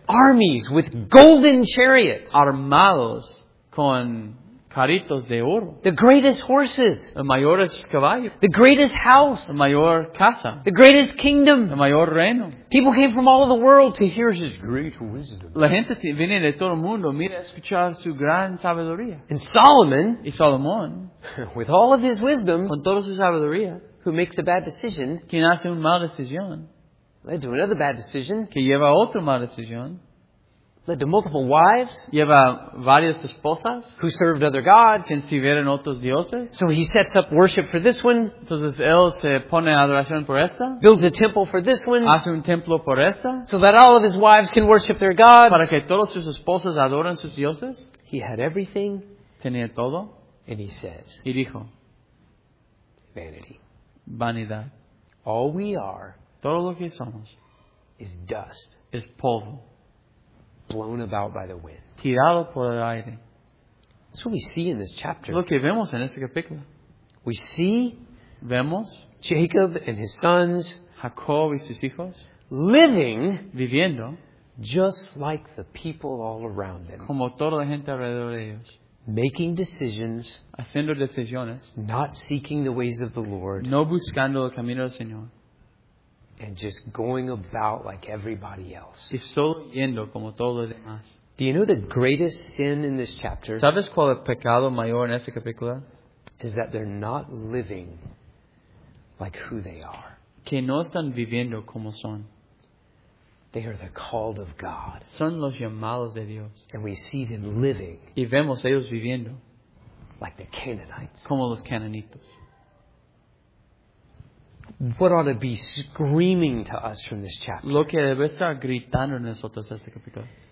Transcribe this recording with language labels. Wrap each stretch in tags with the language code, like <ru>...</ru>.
<en>Armies with golden chariots.</en> <es>Armados con carritos de oro.</es> <en>The greatest horses.</en> <es>El mayor caballo.</es> <en>The greatest house.</en> <es>El mayor casa.</es> <en>The greatest kingdom.</en> <es>El mayor reino.</es> <en>People came from all over the world to hear his great wisdom.</en> <es>La gente viene de todo el mundo mira escuchar su gran sabiduría.</es> <en>And Solomon.</en> <es>Y Salomón.</es> <en>With all of his wisdom.</en> <es>Con toda su sabiduría.</es> <en>Who makes a bad decision.</en> <es>Quien hace una mala decisión.</es> <en>Led to another bad decision.</en> <es>Que lleva otra mala decisión.</es> <en>Led to multiple wives.</en> <es>Lleva varias esposas.</es> <en>Who served other gods.</en> <es>Quien sirvieron otros dioses.</es> <en>So he sets up worship for this one.</en> <es>Entonces él se pone adoración por esta.</es> <en>Builds a temple for this one.</en> <es>Hace un templo por esta.</es> <en>So that all of his wives can worship their gods.</en> <es>Para que todas sus esposas adoren sus dioses.</es> <en>He had everything.</en> <es>Tenía todo.</es> <en>And he says.</en> <es>Y dijo.</es> <en>Vanity.</en> <es>Vanidad.</es> <en>All we are.</en> <es>Todo lo que somos</es> <en>is dust.</en> <es>Es polvo.</es> <en>blown about by the wind.</en> <es>Tirado por el aire.</es> <en>That's what we see in this chapter.</en> <es>Lo que vemos en este capítulo.</es> <en>We see</en> <es>vemos</es> <en>Jacob and his sons,</en> <es>Jacob y sus hijos,</es> <en>living</en> <es>viviendo</es> <en>just like the people all around them.</en> <es>Como toda la gente alrededor de ellos.</es> <en>Making decisions,</en> <es>haciendo decisiones,</es> <en>not seeking the ways of the Lord,</en> <es>no buscando el camino del Señor,</es> <en>and just going about like everybody else.</en> <es>Y solo yendo como todos los demás.</es> <en>Do you know the greatest sin in this chapter?</en> <es>¿Sabes cuál es el pecado mayor en este capítulo?</es> <en>Is that they're not living like who they are.</en> <es>Que no están viviendo como son.</es> <en>They are the called of God.</en> <es>Son los llamados de Dios.</es> <en>And we see them living.</en> <es>Y vemos ellos viviendo.</es> <en>Like the Canaanites.</en> <es>Como los cananitos.</es> <en>What ought to be screaming to us from this chapter?</en> <es>Lo que debe estar gritando en nosotros este capítulo.</es>